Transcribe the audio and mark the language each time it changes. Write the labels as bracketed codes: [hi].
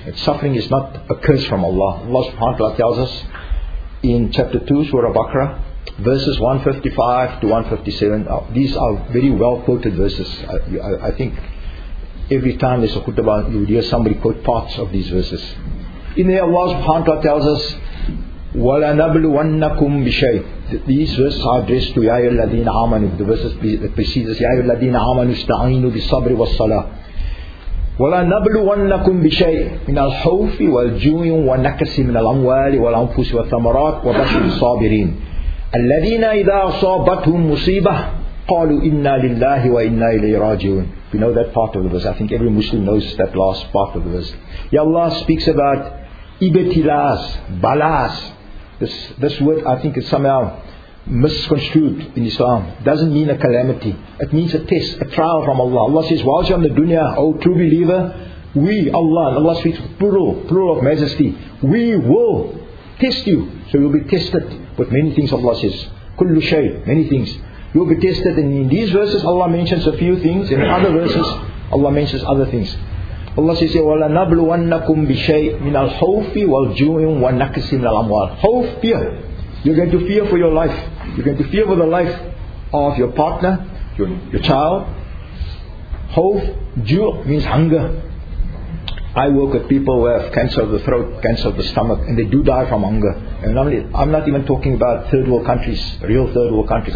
[en] And suffering is not a curse from Allah. Allah subhanahu wa ta'ala tells us in chapter 2, Surah Baqarah, verses 155 to 157. These are very well quoted verses. I think every time there's a khutbah, you hear somebody quote parts of these verses. In there, Allah subhanahu wa ta'ala tells us, [ar] وَلَنَبْلُوَنَّكُمْ بِشَيْءٍ. [en] These verses are addressed to [ar] يَا الَّذِينَ آمَنُوا. [en] The verses that precede us, [ar] يَا الَّذِينَ آمَنُوا اسْتَعِينُوا بِالصَّبْرِ وَالصَّلَاةِ. وَلَنَبْلُوَنَّكُمْ بِشَيْءٍ مِنَ الْخَوْفِ وَالْجُوعِ وَالنَّكَسِ مِنَ الْأَمْوَالِ وَالْأَنْفُسِ وَالثَّمَرَاتِ وَبَشِّرِ الصَّابِرِينَ الَّذِينَ إِذَا أَصَابَتْهُمْ مُصِيبَةٌ قَالُوا إِنَّا لِلَّهِ وَإِنَّا إِلَيْهِ رَاجِعُونَ. [en] We know that part of the verse. I think every Muslim knows that last part of the verse. Yeah, Allah speaks about ibtilas, balas. This word, I think, is somehow misconstrued in Islam. Doesn't mean a calamity. It means a test, a trial from Allah. Allah says, whilst you're on the dunya, O true believer, we, Allah, and Allah speaks plural of majesty, we will test you. So you'll be tested with many things, Allah says. Kullu shay, many things. You'll be tested, and in these verses Allah mentions a few things, in other verses Allah mentions other things. Allah says, [ar] وَلَنَبْلُوَنَّكُمْ بِشَيْءٍ مِنَ الْخَوْفِ وَالْجُوعِ وَالنَّكْسِ مِنَ الْأَمْوَالِ. [en] Khawf, fear. You're going to fear for your life. You're going to fear for the life of your partner, your child. Khawf, ju' means hunger. I work with people who have cancer of the throat, cancer of the stomach, and they do die from hunger. And I'm not even talking about third world countries, real third world countries.